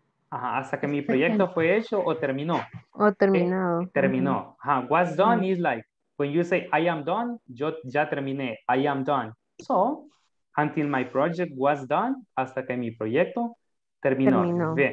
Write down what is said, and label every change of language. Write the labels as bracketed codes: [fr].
[es] Ajá, hasta que mi proyecto fue hecho o terminó. O terminado. Terminó. [en] Ajá, was done is like, when you say I am done, [es] yo ya terminé. [en] I am done. So, until my project was done, [es] hasta que mi proyecto terminó.